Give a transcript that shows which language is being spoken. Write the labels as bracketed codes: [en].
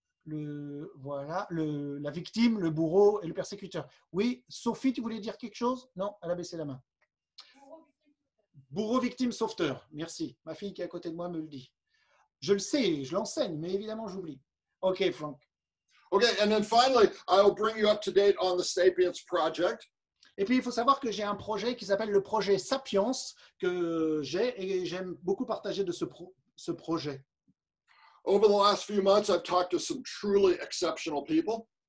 [fr] la victime, le bourreau et le persécuteur. Oui, Sophie, tu voulais dire quelque chose? Non, elle a baissé la main. Bourreau, victime, sauveteur. Merci. Ma fille qui est à côté de moi me le dit. Je le sais, je l'enseigne, mais évidemment, j'oublie. OK, Franck. [en] OK, and then finally, I'll bring you up to date on the Sapiens Project. [fr] Et puis, il faut savoir que j'ai un projet qui s'appelle le projet Sapiens, que j'ai et j'aime beaucoup partager de ce projet. [en] Over the last few months, I've talked to some truly exceptional people.